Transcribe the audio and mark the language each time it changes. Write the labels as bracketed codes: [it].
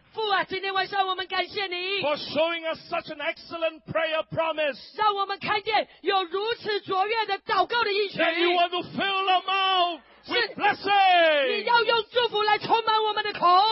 [zh] 父啊，今天晚上我们感谢你。 [en] For showing us such an excellent prayer promise. [zh] 让我们看见有如此卓越的祷告的应许。 [en] That you want to fill our mouth with blessing. [zh] 你要用祝福来充满我们的口。